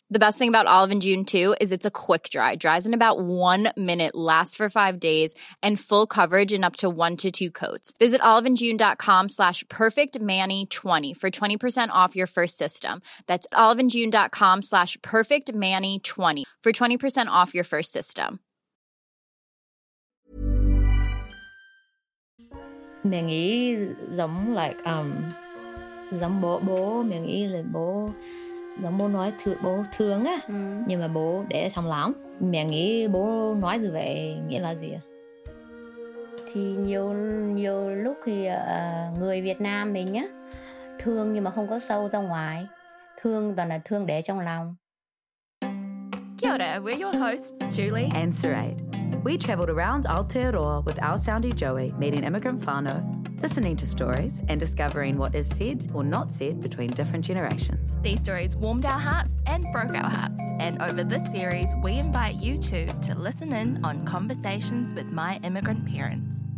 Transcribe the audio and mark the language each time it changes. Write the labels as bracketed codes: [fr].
[en] The best thing about Olive & June, too, is it's a quick dry. It dries in about 1 minute, lasts for 5 days, and full coverage in up to 1 to 2 coats. Visit oliveandjune.com/perfectmanny20 for 20% off your first system. That's oliveandjune.com/perfectmanny20 for 20% off your first system. [vi] Mẹ nghĩ giống like giống bố bố mẹ nghĩ là bố giống bố nói thương bố thương á nhưng mà bố để trong lắm mẹ nghĩ bố nói như vậy nghĩa là gì thì nhiều lúc thì người Việt Nam mình nhá thương nhưng mà không có sâu ra ngoài thương toàn là thương để trong lòng. [en] Kia ora, we're your hosts, Julie and Sarade. We travelled around Aotearoa with our soundy Joey, meeting immigrant whānau, listening to stories and discovering what is said or not said between different generations. These stories warmed our hearts and broke our hearts. And over this series, we invite you too to listen in on conversations with my immigrant parents.